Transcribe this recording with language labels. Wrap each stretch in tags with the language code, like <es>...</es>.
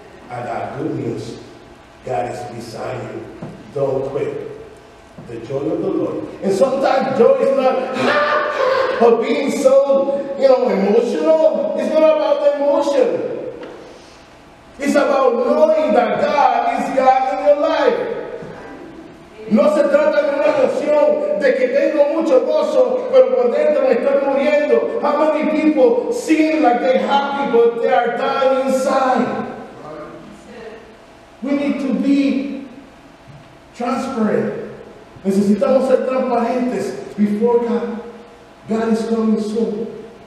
<en>I got good news. God is beside you. Don't quit. The joy of the Lord. And sometimes joy is not of being so, you know, emotional. It's not about the emotion. It's about knowing that God is God in your life.</en> <es>No se trata de una emoción de que tengo mucho gozo, pero por dentro me estoy muriendo.</es> <en>How many people seem like they're happy, but they are dying inside? We need to be transparent.</en> <es>Necesitamos ser transparentes</es> <en>before God. God is coming soon.</en>